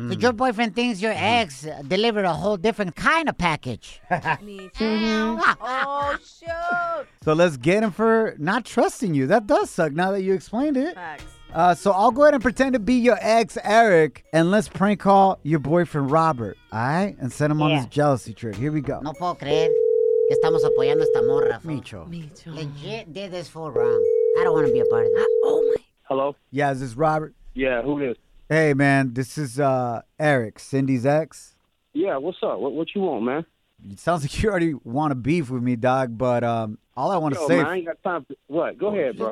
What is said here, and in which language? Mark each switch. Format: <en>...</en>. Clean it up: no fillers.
<en>But your boyfriend thinks your ex delivered a whole different kind of package. Oh, shoot. So let's get him for not trusting you. That does suck now that you explained it. Facts. So I'll go ahead and pretend to be your ex, Eric, and let's prank call your boyfriend, Robert, all right? And send him on his jealousy trip. Here we go.</en> <es>No puedo creer que estamos apoyando esta morra. Micho.</es> <en>Legit did this for wrong. I don't want to be a part of this. Oh, my. Hello? Yeah, is this Robert? Yeah, who is? Hey, man, this is Eric, Cindy's ex. Yeah, what's up? What you want, man? It sounds like you already want to beef with me, dog, but all I want to say... Yo, man, I ain't got time for... What? Go ahead, bro.</en>